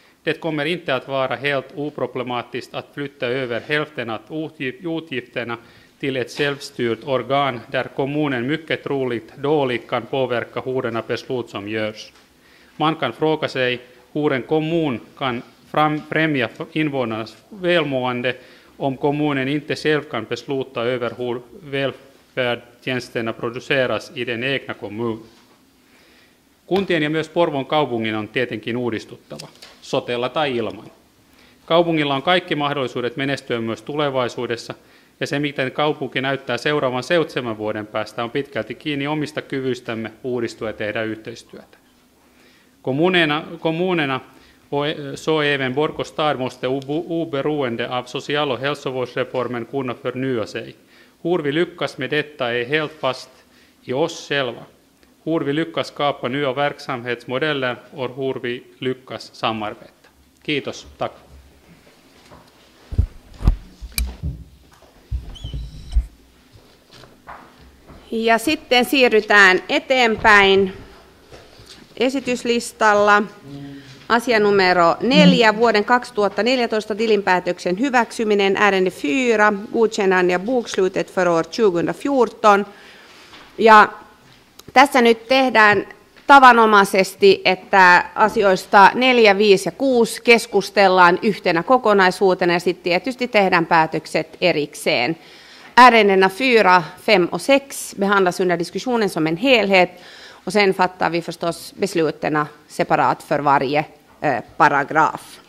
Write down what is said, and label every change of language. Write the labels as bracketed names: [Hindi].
[Swedish] Det kommer inte att vara helt oproblematiskt att flytta över hälften av utgifterna till ett självstyrt organ där kommunen mycket troligt dåligt kan påverka hur denna beslut som görs. Man kan fråga sig hur en kommun kan främja invånarnas välmående om kommunen inte själv kan besluta över hur välfärdtjänsterna produceras i den egna kommunen. [Finnish] Kuntien ja myös Porvoon kaupungin on tietenkin uudistuttava, sotella tai ilman. Kaupungilla on kaikki mahdollisuudet menestyä myös tulevaisuudessa, ja se, miten kaupunki näyttää seuraavan 7 vuoden päästä, on pitkälti kiinni omista kyvyistämme uudistua ja tehdä yhteistyötä. [Swedish] Kommunerna så även Borgå stad måste oberoende av social- och hälsovårdsreformen kunna förnya sig. Hur vi lyckas med detta är helt fast i oss själva. Hur vi lyckas skapa nya verksamhetsmodeller och hur vi lyckas samarbeta. [Finnish] Kiitos, [Swedish] tack. [Finnish] Ja sitten siirrytään eteenpäin esityslistalla. Asia numero 4, vuoden 2014 tilinpäätöksen hyväksyminen, [Swedish] ärende 4, godkännande av bokslutet för år 2014. [Finnish] Ja tässä nyt tehdään tavanomaisesti, että asioista 4, 5 ja 6 keskustellaan yhtenä kokonaisuutena ja sitten tietysti tehdään päätökset erikseen. [Swedish] Ärendena 4, 5 och 6 behandlas under diskussionen som en helhet och sen fattar vi förstås besluten separat för varje paragraf.